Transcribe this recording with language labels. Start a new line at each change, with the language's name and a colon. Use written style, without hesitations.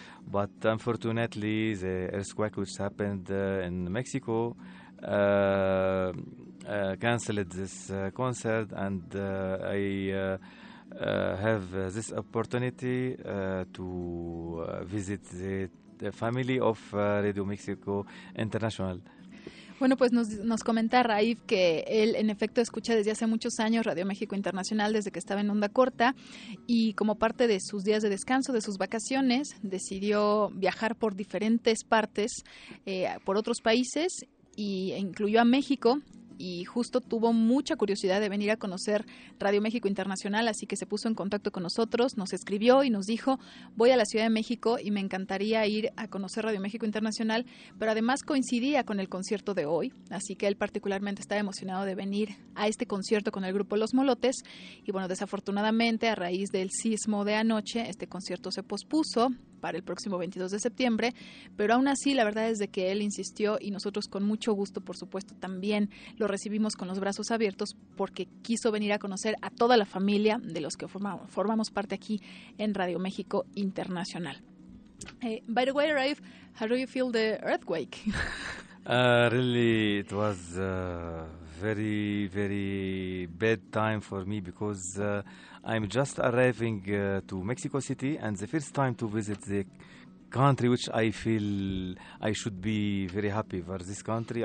English: But unfortunately, the earthquake which happened in Mexico canceled this concert, and I have this opportunity to visit the family of Radio México International.
Spanish: Bueno, pues nos comenta Raif que él en efecto escucha desde hace muchos años Radio México Internacional, desde que estaba en onda corta, y como parte de sus días de descanso, de sus vacaciones, decidió viajar por diferentes partes, por otros países, y incluyó a México. Y justo tuvo mucha curiosidad de venir a conocer Radio México Internacional, así que se puso en contacto con nosotros, nos escribió y nos dijo, voy a la Ciudad de México y me encantaría ir a conocer Radio México Internacional, pero además coincidía con el concierto de hoy, así que él particularmente estaba emocionado de venir a este concierto con el grupo Los Molotes. Y bueno, desafortunadamente, a raíz del sismo de anoche, este concierto se pospuso para el próximo 22 de septiembre, pero aún así la verdad es de que él insistió y nosotros con mucho gusto, por supuesto, también lo recibimos con los brazos abiertos porque quiso venir a conocer a toda la familia de los que formamos parte aquí en Radio México Internacional.
English: Hey, by the way, Raif, how do you feel the earthquake? Really, it was a very, very bad time for me because I'm just arriving to Mexico City and the first time to visit the country, which I feel I should be very happy for this country.